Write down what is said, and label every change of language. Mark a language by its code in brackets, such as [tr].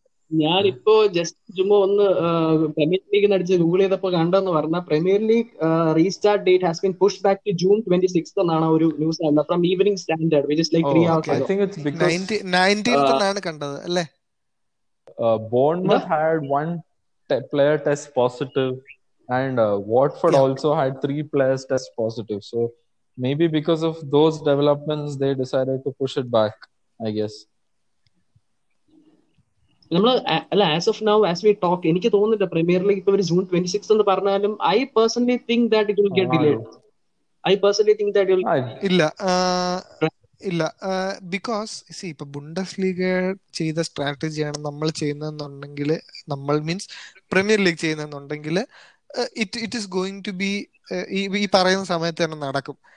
[ml] ഞാനിപ്പോ ജസ്റ്റ് ചുമ്മാ ഒന്ന് പ്രീമിയർ ലീഗ് നടിച്ച് ഗൂഗിൾ ചെയ്തപ്പോ കണ്ടെന്ന് പറഞ്ഞാൽ [en] premier league restart date has been push back to June 26th [ml] എന്നാണ് ഒരു ന്യൂസ് ആയിരുന്നത് [en] From evening standard, which is like 3 hours. I think it's because [ml] 19th എന്നാണ് കണ്ടത് അല്ലേ. [en] Bournemouth had one player test positive and Watford also had 3 players test positive, so maybe because of those developments they decided to push it back, I guess. As of now, as we talk, [ml] എനിക്ക് തോന്നുന്നില്ല premier league ഇപ്പൊ ഒരു June 26th എന്ന് പറഞ്ഞാലും [en] I personally think that it will get delayed. I personally think that it will [ml] ഇല്ല ഇല്ല because C ഇപ്പൊ ബുണ്ടസ് league ചെയ്ത സ്ട്രാറ്റജിയാണ് നമ്മൾ ചെയ്യുന്നതെന്നുണ്ടെങ്കിൽ, നമ്മൾ means premier league ചെയ്യുന്നതെന്നുണ്ടെങ്കിൽ, [en] it is going to be [ml] ഈ പറയുന്ന സമയത്ത് തന്നെ നടക്കും.